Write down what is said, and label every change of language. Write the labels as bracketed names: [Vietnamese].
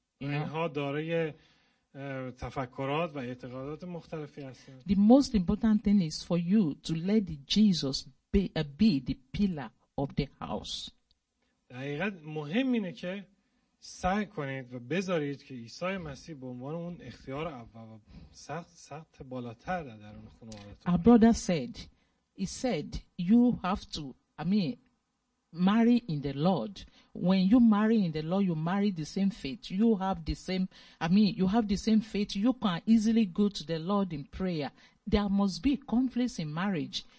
[Persian] اینها داره تفکرات و اعتقادات مختلفی هستن. [English] The most important thing is for you to let Jesus be the pillar of the house. [Persian] دقیقاً مهم اینه که سعی کنید و بذارید که عیسی مسیح به عنوان اون اختیار اول و سخت بالاتر در درون خانوادهتون. [English] Our brother said you have to marry in the Lord. When you marry in the Lord, you marry the same faith. You have the same, you have the same faith. You can easily go to the Lord in prayer. There must be conflicts in marriage.